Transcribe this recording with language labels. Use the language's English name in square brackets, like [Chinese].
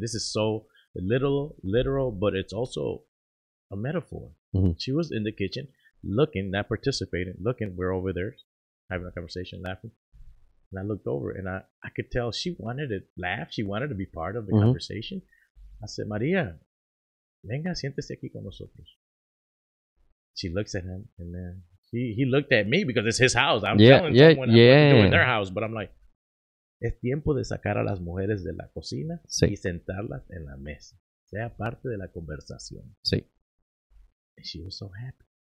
[English] This is so literal, but it's also a metaphor. Mm-hmm. She was in the kitchen. Looking, not participating, looking, we're over there having a conversation, laughing. And I looked over and I could tell she wanted to laugh. She wanted to be part of the conversation. I said, [Spanish] Maria, venga, siéntese aquí con nosotros. [English] She looks at him and then he looked at me because it's his house. I'm telling someone I'm in their house. But I'm like, [Spanish] es tiempo de sacar a las mujeres de la cocina y sentarlas en la mesa. Sea parte de la conversación. Sí. [English] And she was so happy.